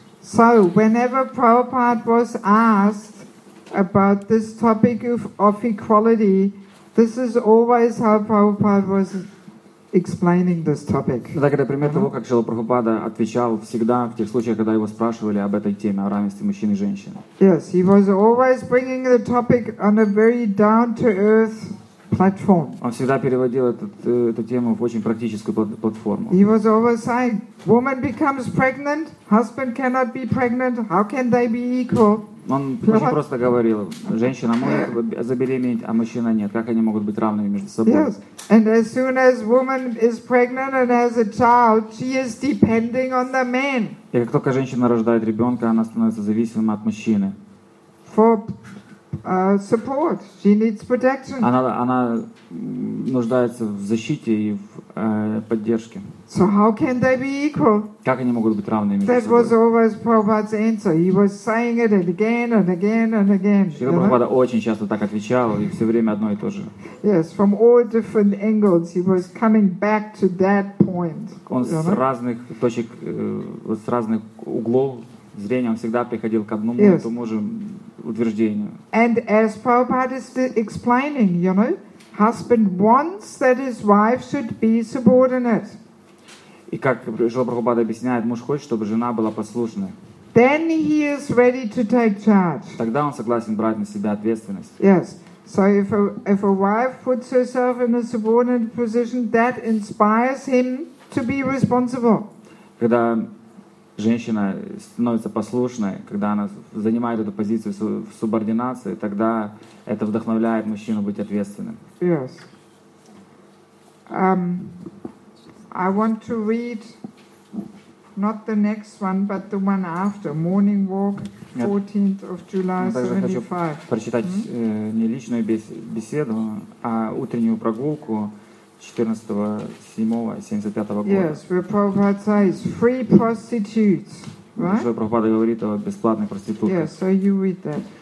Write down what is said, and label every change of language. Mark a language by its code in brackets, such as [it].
[en] So whenever Prabhupada was asked about this topic of equality, this is always how Prabhupada was explaining this topic. [ru] Так, например, того, как Шрила Прабхупада отвечал всегда в тех случаях, когда его спрашивали об этой теме, о равенстве мужчин и женщин. [en] Yes, he was always bringing the topic on a very down-to-earth platform. [ru] Он всегда переводил эту тему в очень практическую платформу. [en] He was always saying, woman becomes pregnant, husband cannot be pregnant, how can they be equal? [ru] Он очень просто говорил, женщина может забеременеть, а мужчина нет. Как они могут быть равными между собой? [en] Yes. And as soon as woman is pregnant and has a child, she is depending on the man. [ru] И как только женщина рождает ребенка, она становится зависимой от мужчины. [en] For support, she needs protection. [ru] Она нуждается в защите и в поддержке. [en] So how can they be equal? [ru] Как они могут быть равными? [en] That was always Prabhupada's answer. He was saying it again and again and again. [ru] Шрила Прабхупада очень часто так отвечал и все время одно и то же. [en] Yes, from all different angles, he was coming back to that point. [ru] Он с разных точек, с разных углов зрения, он всегда приходил к одному и тому же утверждению. [en] And as Prabhupada is explaining, you know, husband wants that his wife should be subordinate. [ru] И как Шрила Прабхупада объясняет, муж хочет, чтобы жена была послушной. [en] Then he is ready to take charge. [ru] Тогда он согласен брать на себя ответственность. [en] Yes. So if a wife puts herself in a subordinate position, that inspires him to be responsible. [ru] Когда женщина становится послушной, когда она занимает эту позицию в субординации, тогда это вдохновляет мужчину быть ответственным. [en] Yes. I want to read not the next one, but the one after. Morning Walk, 14th of July, 75. [ru] Прочитать не личную беседу, а утреннюю прогулку 14.07.75 года. [en] Yes, where Prabhupada says free prostitutes, right? [ru] Прабхупада говорит о бесплатных проститутках. [en] Yes, so you read that.